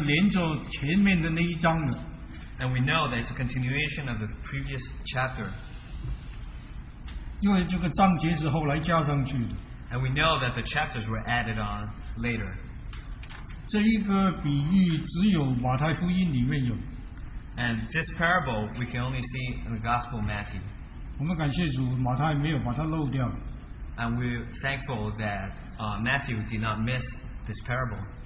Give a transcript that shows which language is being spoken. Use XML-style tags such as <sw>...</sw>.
<zh>那很明显就是这一段的圣经应该是连着前面的那一章的。</zh> <en>And we know that it's a continuation of the previous chapter.</en> <zh>因为这个章节是后来加上去的。</zh> <en>And we know that the chapters were added on later.</en> <zh>这一个比喻只有马太福音里面有。</zh> <en>And this parable we can only see in the Gospel of Matthew.</en> <zh>我们感谢主马太没有把它漏掉。</zh> <en>And we're thankful that Matthew did not miss this parable.</en>